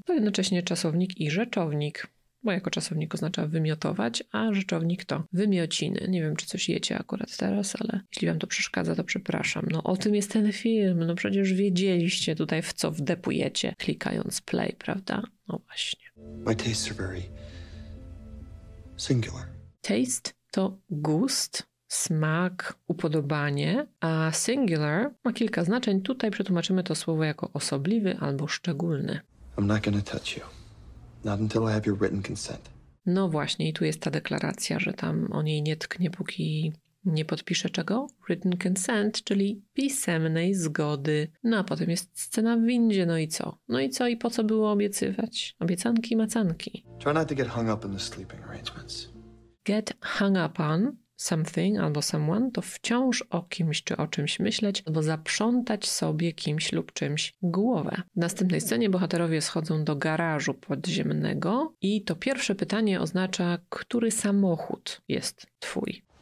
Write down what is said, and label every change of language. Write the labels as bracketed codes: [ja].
[pl] To jednocześnie czasownik i rzeczownik, bo jako czasownik oznacza wymiotować, a rzeczownik to wymiociny. Nie wiem, czy coś jecie akurat teraz, ale jeśli wam to przeszkadza, to przepraszam. No o tym jest ten film, no przecież wiedzieliście tutaj, w co wdepujecie, klikając play, prawda? No właśnie. [en] My tastes are very singular. [pl] Taste to gust. Smak, upodobanie, a singular ma kilka znaczeń. Tutaj przetłumaczymy to słowo jako osobliwy albo szczególny. [en] I'm not gonna touch you. Not until I have your written consent. [pl] No właśnie, i tu jest ta deklaracja, że tam on jej nie tknie, póki nie podpisze czego? Written consent, czyli pisemnej zgody. No a potem jest scena w windzie, no i co? No i co i po co było obiecywać? Obiecanki, macanki. [en] Try not to get hung up in the sleeping arrangements. Get hung up on something [pl] albo someone to wciąż o kimś czy o czymś myśleć albo zaprzątać sobie kimś lub czymś głowę. W następnej scenie bohaterowie schodzą do garażu podziemnego i to pierwsze pytanie oznacza, który samochód jest twój.